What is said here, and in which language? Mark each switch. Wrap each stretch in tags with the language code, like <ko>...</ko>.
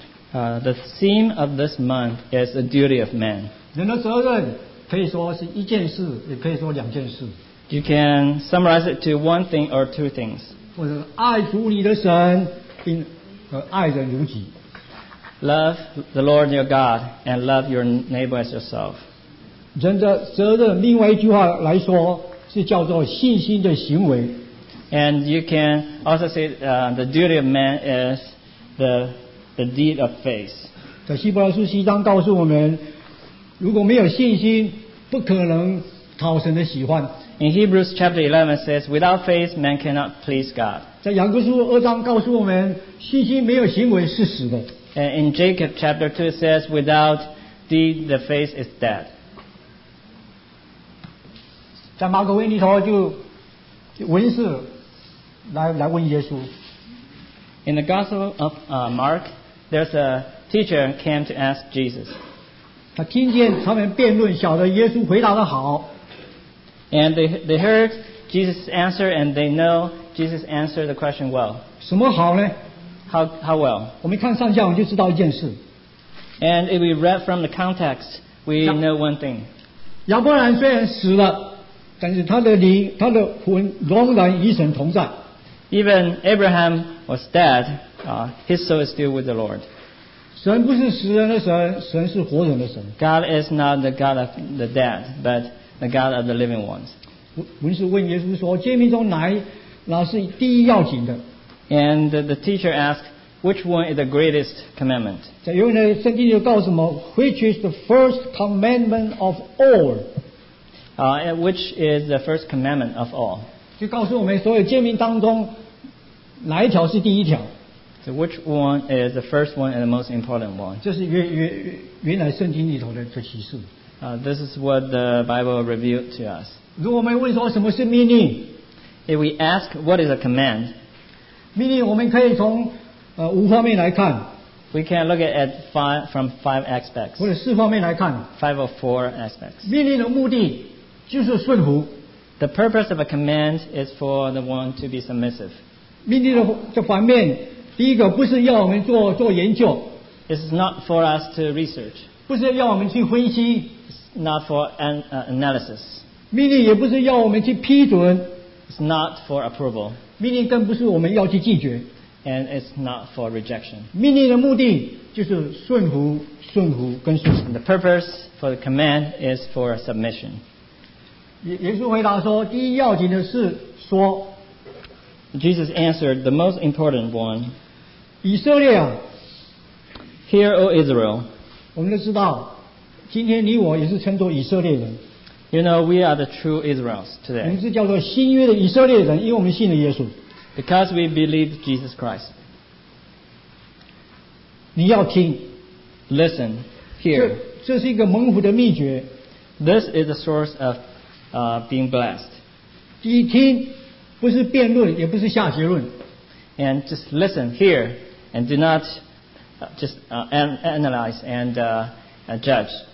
<en>The theme of this month is the duty of man.</en> <zh>人的责任可以说是一件事，也可以说两件事。</zh> <en>You can summarize it to one thing or two things.</en> <zh>或者爱主你的神，并爱人如己。</zh> <en>Love the Lord your God and love your neighbor as yourself.</en> <zh>人的责任，另外一句话来说，是叫做信心的行为。</zh> <en>And you can also say the duty of man is the deed of faith.</en> <zh>在希伯来书七章告诉我们，如果没有信心，不可能讨神的喜欢。</zh> <en>In Hebrews chapter 11 it says, without faith, man cannot please God.</en> <zh>在雅各书二章告诉我们，信心没有行为是死的。</zh> <en>And in Jacob chapter 2 it says, without deed, the faith is dead.</en> <zh>在马可福音里头就文士来问耶稣。</zh> <en>In the Gospel of Mark, there's a teacher came to ask Jesus.</en> <zh>他听见他们辩论，晓得耶稣回答得好。</zh> <en>And they heard Jesus' answer, and they know Jesus answered the question well.</en> <zh>什么好呢？</zh> <en>How well?</en> <zh>我们看上下文就知道一件事。</zh> <en>And if we read from the context, we know one thing.</en> <zh>亚伯兰虽然死了，但是他的魂仍然与神同在。</zh> <en>Even Abraham was dead, his soul is still with the Lord.</en> <zh>神不是死人的神，神是活人的神。</zh> <en>God is not the God of the dead, but the God of the living ones.</en> <zh>文士问耶稣说，诫命中哪一老是第一要紧的？</zh> <en>And the teacher asked, which one is the greatest commandment?</en> <zh>在原文的圣经里告诉我们，</zh> <en>which is the first commandment of all? Which is the first commandment of all?</en> <zh>就告诉我们所有诫命当中哪一条是第一条。</zh> <en>So which one is the first one and the most important one?</en> <zh>这是原来圣经里头的这启示。</zh> <en>This is what the Bible revealed to us.</en> <zh>如果我们问说什么是命令，</zh> <en>If we ask what is a command,</en> <zh>命令我们可以从五方面来看，</zh> <en>We can look at it from five aspects.</en> <zh>或者四方面来看，</zh> <en>Five or four aspects.</en> <zh>命令的目的就是顺服。</zh> <en>The purpose of a command is for the one to be submissive.</en> <zh>命令的反面，第一个不是要我们做研究，</zh> <en>It's not for us to research.</en> <zh>不是要我们去分析，</zh> <en>It's not for analysis.</en> <zh>命令也不是要我们去批准，</zh> <en>It's not for approval.</en> <zh>命令更不是我们要去拒绝，</zh> <en>And it's not for rejection.</en> <zh>命令的目的就是顺服，顺服跟顺服。</zh> <en>The purpose for the command is for submission.</en> <zh>耶稣回答说，第一要紧的是说。</zh> <en>Jesus answered the most important one.</en> <zh>以色列啊，</zh> <en>Hear, O Israel.</en> <zh>我们都知道，今天你我也是称作以色列人。</zh> <en>You know, we are the true Israelites today.</en> <zh>我们是叫做新约的以色列人，因为我们信了耶稣。</zh> <en>Because we believe Jesus Christ.</en> <zh>你要听。</zh> <en>Listen, hear.</en> <zh>这是一个蒙福的秘诀。</zh> <en>This is a source of being blessed.</en> <zh>一听，不是辩论，也不是下结论。</zh> <en>And just listen, hear, and do not just analyze and judge.</en>